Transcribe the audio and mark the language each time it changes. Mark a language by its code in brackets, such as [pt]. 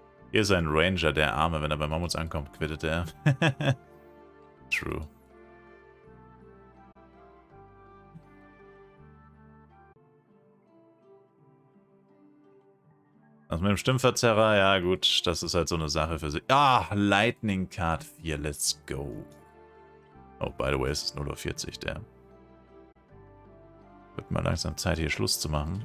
[de] Hier ist ein Ranger, der Arme, wenn er bei Mammuts ankommt, quittet er. True. Was mit dem Stimmverzerrer? Ja gut, das ist halt so eine Sache für sich. [en] Ah, Lightning Card 4, let's go. Oh, by the way, [de] es ist 0:40 Uhr, der. Wird mal langsam Zeit, hier Schluss zu machen.